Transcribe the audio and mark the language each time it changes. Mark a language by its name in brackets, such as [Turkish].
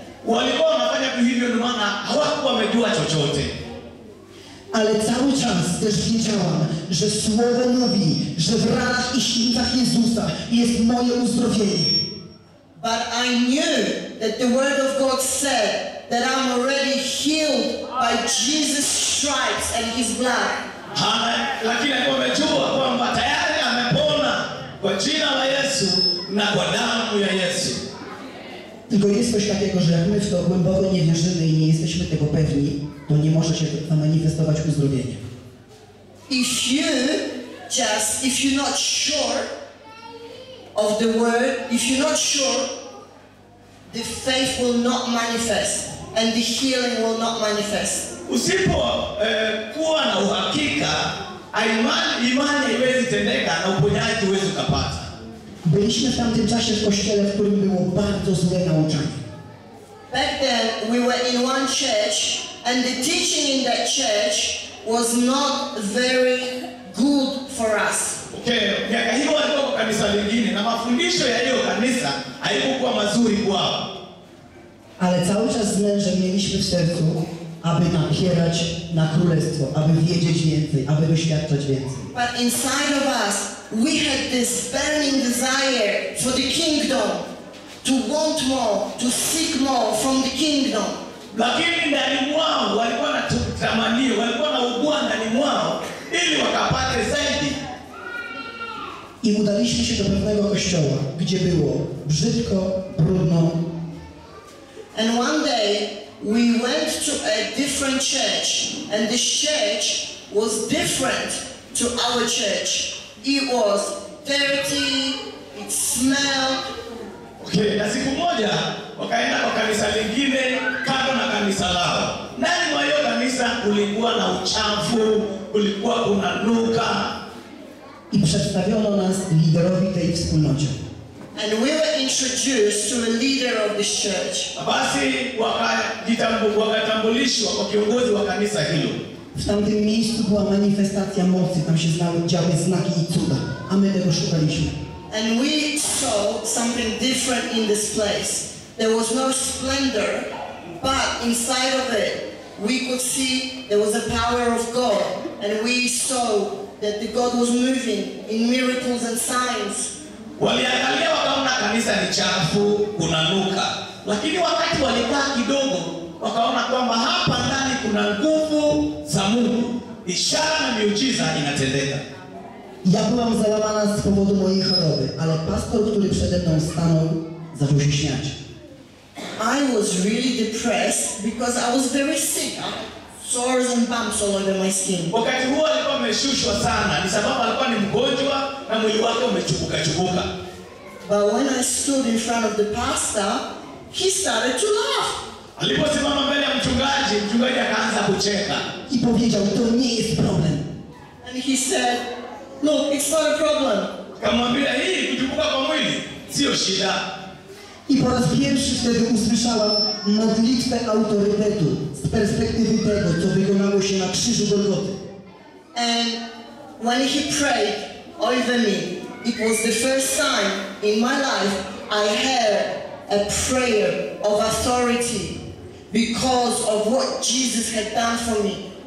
[Swahili] Walikuwa wanafanya tu hivyo ndio maana hawakuwa wamejua chochote. [Polish] Ale cały czas też wiedziałam, że Słowo mówi, że w ranach i ślinach Jezusa jest moje uzdrowienie. [English] But I knew that the Word of God said that I'm already healed by Jesus' stripes and His blood. [Swahili] Lakini alikuwa amejua kwamba tayari amepona kwa jina la Yesu na kwa damu ya Yesu. [Polish] Tylko jest coś takiego, że jak my w to głęboko nie wierzymy i nie jesteśmy tego pewni, to nie może się zamanifestować uzdrowienie. [English] If you just, if you're not sure of the word, if you're not sure, the faith will not manifest and the healing will not manifest. [Swahili] Usipo kuwa na uhakika, imani haiwezi tendeka na uponyaji huwezi kupata. [Polish] Byliśmy w tamtym czasie w kościele, w którym było bardzo złe nauczanie. [English] Back then we were in one church and the teaching in that church was not very good for us. [Swahili] Okay, miaka hiyo walikuwa kwa kanisa lingine na mafundisho ya hiyo kanisa haikuwa mazuri kwao. [Polish] Ale cały czas zlęże mieliśmy w sercu, aby napierać na królestwo, aby wiedzieć więcej, aby doświadczać więcej. [English] But inside of us, we had this burning desire for the kingdom, to want more, to seek more from the kingdom. [Swahili] Lakini ndani mwao walikuwa na tamanio, walikuwa na ugua ndani mwao, ili wakapate zaidi. [Polish] I udaliśmy się do pewnego kościoła, gdzie było brzydko, brudno. [English] And one day, we went to a different church, and this church was different to our church. It was dirty, it smelled. [Swahili] Okay, na siku moja, wakaenda kwa kanisa lingine, kando na kanisa lao. Ndani mwa hiyo kanisa kulikuwa na uchafu, kulikuwa kunanuka. [Polish] I przedstawiono nas liderowi tej wspólnoty. [English] And we were introduced to the leader of this church. [Swahili] Basi wakatambulishwa kwa kiongozi wa kanisa hilo. [Polish] W tamtym miejscu była manifestacja mocy, tam się działy znaki i cuda, a my tego szukaliśmy. [English] And we saw something different in this place. There was no splendor, but inside of it, we could see there was a power of God. And we saw that the God was moving in miracles and signs. [Swahili] Waliangalia wakaona kanisa ni chafu, kunanuka. Lakini wakati walikaa kidogo, wakaona kwamba hapa ndani kuna nguvu za Mungu. Ishara na miujiza inatendeka. [Polish] Ja byłam załamana z powodu mojej choroby, ale pastor, który przede mną stanął, zaczął się śmiać. [English] I was really depressed because I was very sick. Sores and bumps all over my skin. [Swahili] Wakati huo alikuwa ameshushwa sana, ni sababu alikuwa ni mgonjwa na mwili wake umechukuka. [English] But when I stood in front of the pastor, he started to laugh. [Swahili] Aliposimama mbele ya mchungaji, mchungaji akaanza kucheka. [Polish] I powiedział, to nie jest problem. [English] And he said, look, it's not a problem. [Swahili] Kamwambia hii, kuchukuka kwa mwili, sio shida. [Polish] I po raz pierwszy wtedy usłyszałam modlitwę autorytetu z perspektywy tego, co wykonało się na krzyżu Golgoty. [English] And when he prayed over me, it was the first time in my life I heard a prayer of authority because of what Jesus had done for me.